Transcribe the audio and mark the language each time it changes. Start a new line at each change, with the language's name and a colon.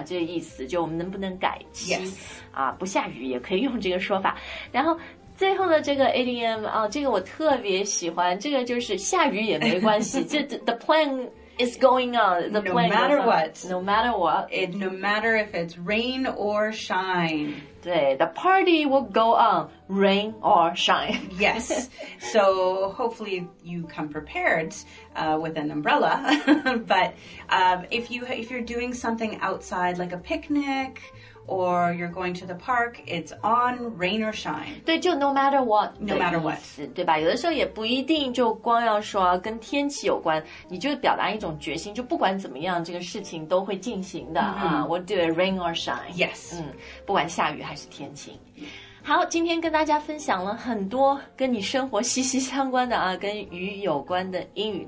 Chinese: 这个意思就我们能不能改期、不下雨也可以用这个说法。然后最后的这个 idiom 啊、这个我特别喜欢。这个就是下雨也没关系。
English: 这the plan is going on. The plan no matter what. No matter what. It no matter if it's rain or shine. 对 ，the party will go on. Rain or shine. Yes. So hopefully you come prepared with an umbrella. But if you're doing something outside like a picnic or you're going to the park, it's on, rain or shine. 对，就 no matter what. No matter what.
Chinese: 对吧？有的时候也不一定就光要说跟天气有关，你就表达一种决心，就不管怎么样，这个事情都会进行的啊。
English: We'll do it, rain or shine. Yes.
Chinese: 嗯，不管下雨还是天晴。好，今天跟大家分享了很多跟你生活息息相关的啊，跟雨有关的英语。